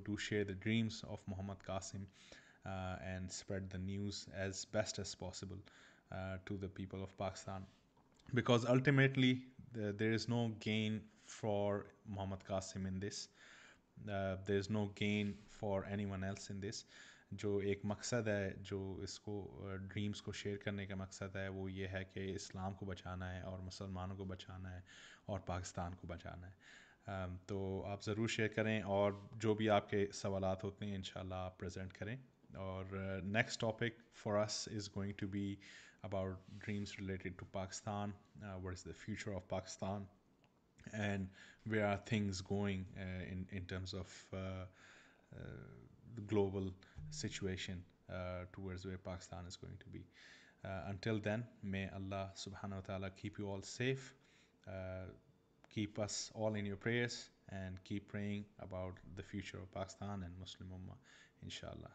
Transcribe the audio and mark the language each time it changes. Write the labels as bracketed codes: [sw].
[en] Do share the dreams of Muhammad Qasim and spread the news as best as possible to the people of Pakistan. Because ultimately, there is no gain for Muhammad Qasim in this. There is no gain for anyone else in this. [ur] جو ایک مقصد ہے جو اس کو dreams کو share کرنے کا مقصد ہے وہ یہ ہے کہ اسلام کو بچانا ہے اور مسلمانوں کو بچانا ہے اور پاکستان کو بچانا ہے تو آپ ضرور شیئر کریں اور جو بھی آپ کے سوالات ہوتے ہیں انشاءاللہ آپ پریزنٹ کریں [en] اور next topic for us is going to be about dreams related to Pakistan what is the future of Pakistan and where are things going in terms of the global situation towards where Pakistan is going to be. Until then, may Allah subhanahu wa ta'ala keep you all safe, keep us all in your prayers, and keep praying about the future of Pakistan and Muslim Ummah, inshallah.